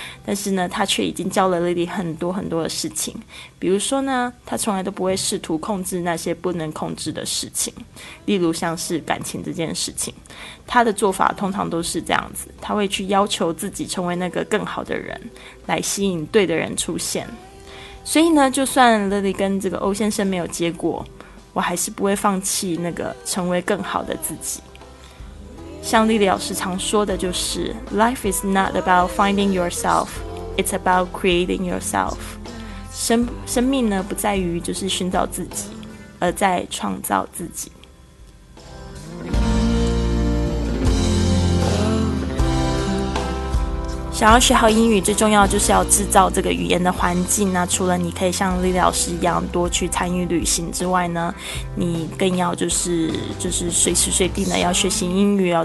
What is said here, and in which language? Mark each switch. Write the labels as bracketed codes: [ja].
[zh] 但是呢他却已经教了 Lily 很多很多的事情，比如说呢他从来都不会试图控制那些不能控制的事情，例如像是感情这件事情。他的做法通常都是这样子，他会去要求自己成为那个更好的人，来吸引对的人出现。所以呢就算 Lily 跟这个欧先生没有结果，我还是不会放弃那个成为更好的自己。像 Lily 老师常说的就是 [en] Life is not about finding yourself, it's about creating yourself. [zh] 生命呢不在于就是寻找自己，而在创造自己。想要学好英语，最重要就是要制造这个语言的环境。那除了你可以像 Lily 老师一样多去参与旅行之外呢，你更要就是随时随地呢要学习英语哦。